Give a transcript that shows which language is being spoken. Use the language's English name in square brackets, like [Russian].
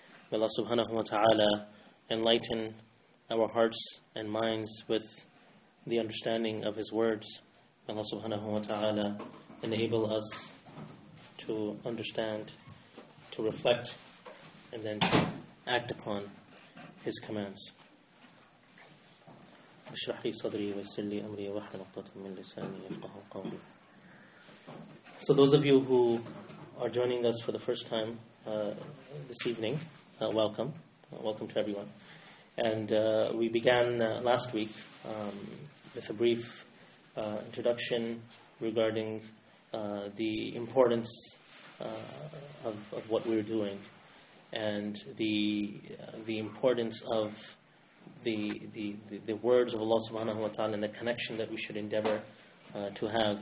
[English] May Allah subhanahu wa ta'ala enlighten our hearts and minds with the understanding of His words. May Allah subhanahu wa ta'ala enable us to understand, to reflect, and then to act upon His commands. [Arabic] اشرح لي صدري ويسر لي امري واحلل عقدة من لساني يفقهوا قولي. [English] So those of you who are joining us for the first time this evening, welcome to everyone. And we began last week with a brief introduction regarding the importance of what we're doing, and the importance of the words of Allah subhanahu wa ta'ala and the connection that we should endeavor to have.